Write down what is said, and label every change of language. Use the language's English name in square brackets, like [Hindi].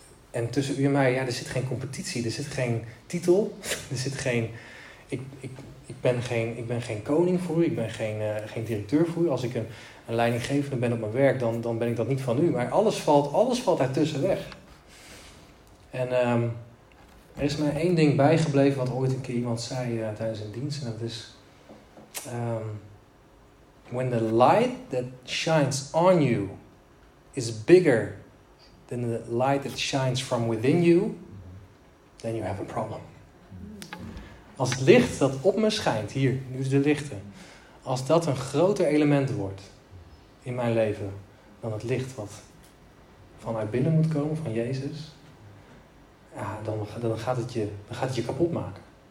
[Dutch] En tussen u en mij, ja, er zit geen competitie, er zit geen titel, er zit geen, ik ben geen koning voor u, ik ben geen directeur voor u. Als ik een leidinggevende ben op mijn werk, dan ben ik dat niet van u. Maar alles valt daartussen weg. En er is mij één ding bijgebleven wat ooit een keer iemand zei tijdens een dienst. En dat is... [English] When the light that shines on you is bigger than the light that shines from within you, then you have a problem. [Dutch] Als het licht dat op me schijnt, hier, nu is de lichten, als dat een groter element wordt in mijn leven dan het licht wat vanuit binnen moet komen, van Jezus, ja, dan gaat het je kapot maken.